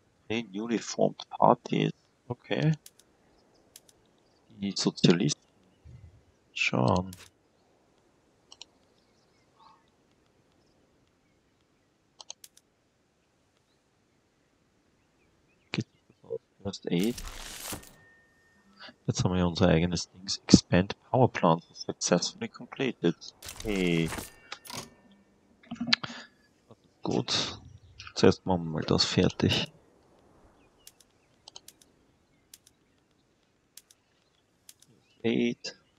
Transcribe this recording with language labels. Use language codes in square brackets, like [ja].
[de] Uniformed Parties. Okay. Die Sozialisten. Schauen. [en] First Aid. [de] Jetzt haben wir ja unser eigenes Dings. [en] Expand Power Plant successfully completed. [de] Hey. Gut. Zuerst machen wir mal das fertig. [en] First Aid.